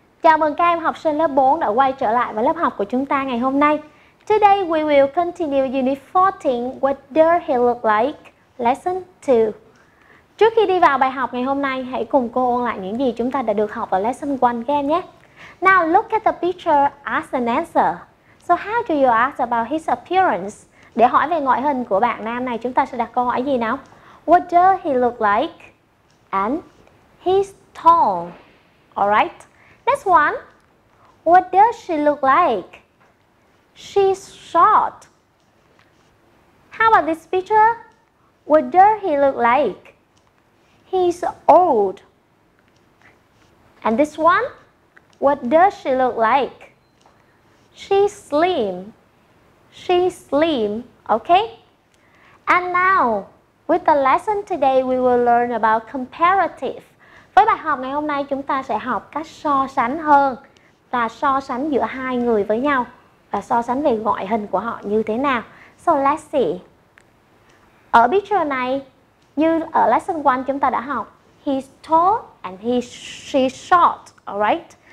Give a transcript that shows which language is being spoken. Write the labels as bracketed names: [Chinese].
[Vietnamese] Chào mừng các em học sinh lớp 4 đã quay trở lại với lớp học của chúng ta ngày hôm nay. [English] Today we will continue unit 14, What Does He Look Like? Lesson 2. [Vietnamese] Trước khi đi vào bài học ngày hôm nay, hãy cùng cô ôn lại những gì chúng ta đã được học ở lesson 1 các em nhé. [English] Now look at the picture, ask an answer. So how do you ask about his appearance? [Vietnamese] Để hỏi về ngoại hình của bạn nam này, chúng ta sẽ đặt câu hỏi gì nào? [English] What does he look like? And he's tall. Alright. Next one. What does she look like? She's short. How about this picture? What does he look like? He's old. And this one. What does she look like? She's slim. She's slim. Okay. And now, with the lesson today, we will learn about comparative. [Vietnamese] Với bài học ngày hôm nay, chúng ta sẽ học cách so sánh hơn và so sánh giữa hai người với nhau và so sánh về ngoại hình của họ như thế nào. [English] So let's see. [Vietnamese] Ở picture này, như ở lesson 1 chúng ta đã học, [English] he's tall and she's short, alright?